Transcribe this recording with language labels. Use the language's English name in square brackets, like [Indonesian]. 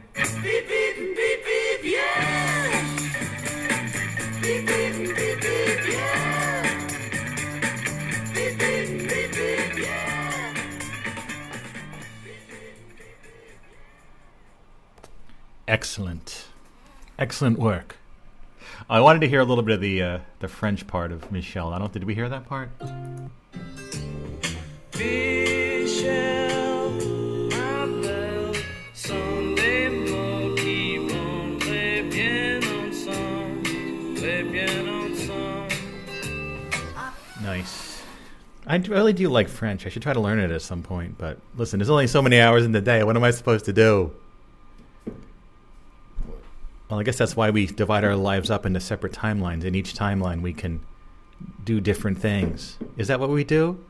[English] Beep, beep, beep, beep, yeah! Beep, beep, beep, beep, beep, yeah! Beep, beep, beep, beep, yeah! Beep, beep, beep, beep, beep, yeah! Excellent. Excellent work. I wanted to hear a little bit of the French part of Michel. I don't. Did we hear that part? [French] Michel, ma belle, sont les mots qui vont très bien ensemble. [English] Nice. I really do like French. I should try to learn it at some point. But listen, there's only so many hours in the day. What am I supposed to do? Well, I guess that's why we divide our lives up into separate timelines. In each timeline, we can do different things. Is that what we do?